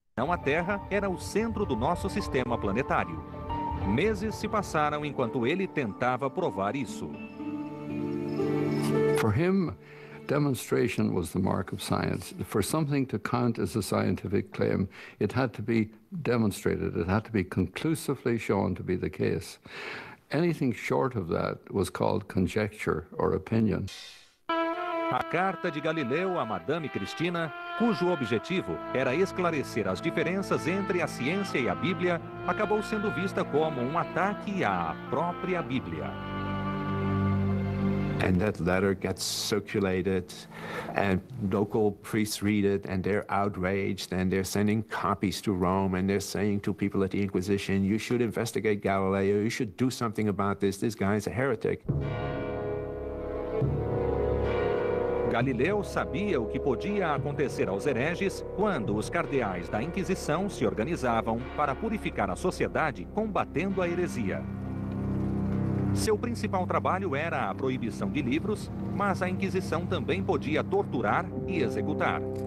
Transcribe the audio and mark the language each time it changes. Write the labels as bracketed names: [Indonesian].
[Portuguese] A Terra era o centro do nosso sistema planetário. Meses se passaram enquanto ele tentava provar isso. [English] For him, demonstration was the mark of science. For something to count as a scientific claim, it had to be demonstrated. It had to be conclusively shown to be the case. Anything short of that was called conjecture or opinion. [Portuguese] A carta de Galileu à Madame Cristina, cujo objetivo era esclarecer as diferenças entre a ciência e a Bíblia, acabou sendo vista como um ataque à própria Bíblia. [English] And that letter gets circulated, and local priests read it, and they're outraged, and they're sending copies to Rome, and they're saying to people at the Inquisition, you should investigate Galileo, you should do something about this, this guy's a heretic. [Portuguese] Galileu sabia o que podia acontecer aos hereges quando os cardeais da Inquisição se organizavam para purificar a sociedade combatendo a heresia. Seu principal trabalho era a proibição de livros, mas a Inquisição também podia torturar e executar.